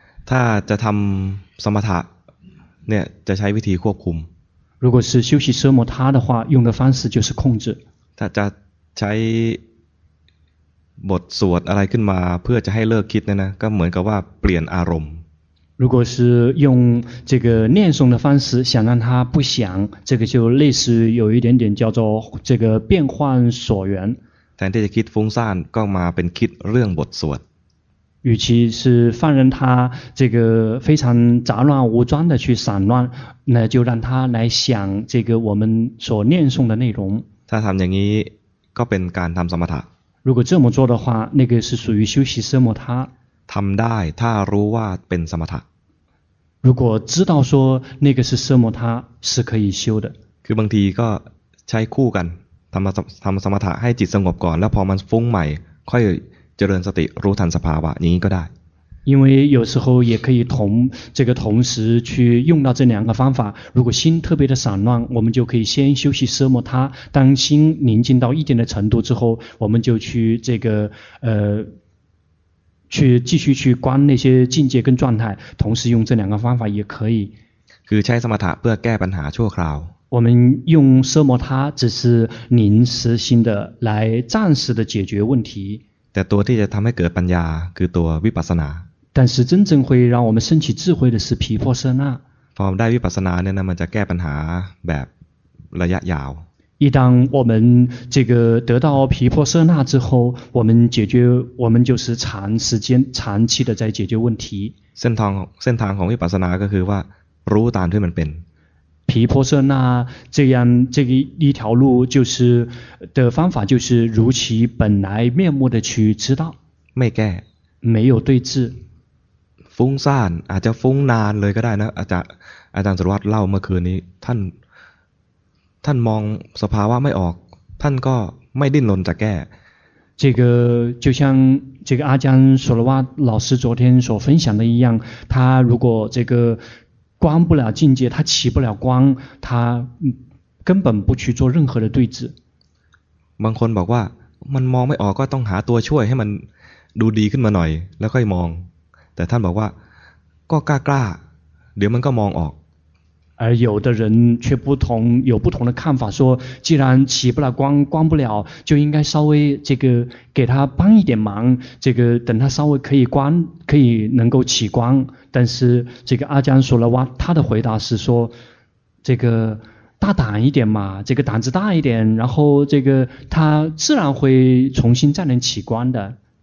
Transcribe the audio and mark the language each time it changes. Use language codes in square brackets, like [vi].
[th] ถ้าจะทำสมถะเนี่ยจะใช้วิธีควบคุม [zh] 如果是修习奢摩他的话用的方式就是控制 [th] ถ้าจะใช้บทสวดอะไรขึ้นมาเพื่อจะให้เลิกคิดเนี่ยนะก็เหมือนกับว่าเปลี่ยนอารม [zh] 如果是用这个念诵的方式想让他不想，这个就类似有一点点叫做这个变幻所缘。但这个 [th] คิดฟุ้งซ่าน [zh] ก็มาเป็นคิดเรื่องบทสวด。与其是放任他这个非常杂乱无章的去散乱，那就让他来想这个我们所念诵的内容。 [th] ถ้าทำอย่างนี้ก็เป็นการทำสมถะ。 [zh] 如果这么做的话，那个是属于修习奢摩他。 [th] ทำได้ถ้ารู้ว่าเป็นสมถะ [zh] 如果知道说那个是奢摩他是可以修的 [th] คือบางทีก็ใช้คู่กันทำสมถะให้จิตสงบก่อนแล้วพอมันฟุ้งใหม่ค่อยเจริญสติรู้ทันสภาวะอย่างนี้ก็ได้ [zh] 因为有时候也可以同时去用到这两个方法如果心特别的散乱我们就可以先休息奢摩他当心宁静到一定的程度之后我们就去这个去继续去观那些境界跟状态同时用这两个方法也可以 [th] คือใช้สมถะเพื่อแก้ปัญหาชั่วคราว [zh] 我们用奢摩他只是临时性的来暂时的解决问题 [th] แต่ตัวที่จะทำให้เกิดปัญญาคือตัววิปัสสนา [zh] 但是真正会让我们升起智慧的是毗婆舍那 [th] พอได้วิปัสสนาเนี่ยนะมันจะแก้ปัญหาแบบระยะยาว [zh] 一旦我们这个得到毗婆舍那之后，我们就是长时间、长期的在解决问题。 [th] เส้นทางของวิปัสสนาก็คือว่ารู้ตามที่มันเป็น。 [zh] 毗婆舍那这个一条路就是的方法就是如其本来面目的去知道。 [th] ไม่แก้ [zh] 。 没有对治。 [th] ฟุ้งซ่านอาจจะฟุ้งนานเลยก็ได้นะอาจารย์สุรวัตรเล่าเมื่อคืนนี้ท่านมองสภาวะไม่ออกท่านก็ไม่ดิ้นรนจะแก้ [zh] 这个就像这个阿江索罗瓦老师昨天所分享的一样他如果这个观不了境界他起不了观他根本不去做任何的对治 [th] บางคนบอกว่ามันมองไม่ออกก็ต้องหาตัวช่วยให้มันดูดีขึ้นมาหน่อยแล้วค่อยมองแต่ท่านบอกว่าก็กล้ากล้าเดี๋ยวมันก็มองออก [zh] 而有的人却不同有不同的看法说既然起不了光光不了就应该稍微这个给他帮一点忙这个等他稍微可以能够起光但是这个阿江索罗哇他的回答是说这个大胆一点嘛这个胆子大一点然后这个他自然会重新再能起光的